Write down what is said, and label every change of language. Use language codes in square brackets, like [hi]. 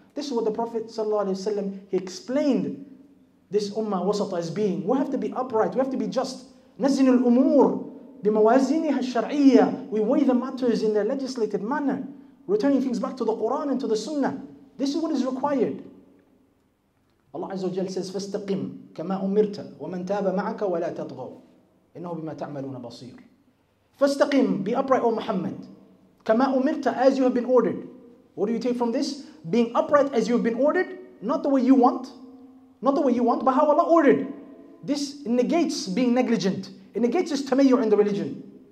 [en] This is what the Prophet sallallahu alayhi wa sallam, he explained this ummah wasata as being. We have to be upright, we have to be just. [ar] نَزِّنُ الْأُمُورِ بِمَوَازِينِهَا الشَّرْعِيَّةِ. [en] We weigh the matters in a legislated manner, returning things back to the Quran and to the Sunnah. This is what is required. Allah Azza wa Jal says, [ar] فَاسْتَقِمْ كَمَا أُمِرْتَ وَمَنْ تَابَ مَعَكَ وَلَا تَطْغَوْ إِنَّهُ بِمَا تَعْمَلُونَ بَصِيرٌ. فَاسْتَقِمْ, [en] be upright, O Muhammad, [ar] كَمَا أُمِرْتَ, [en] as you have been ordered. What do you take from this? Being upright as you have been ordered, not the way you want, but how Allah ordered. This negates being negligent. It negates this tamayyu in the religion.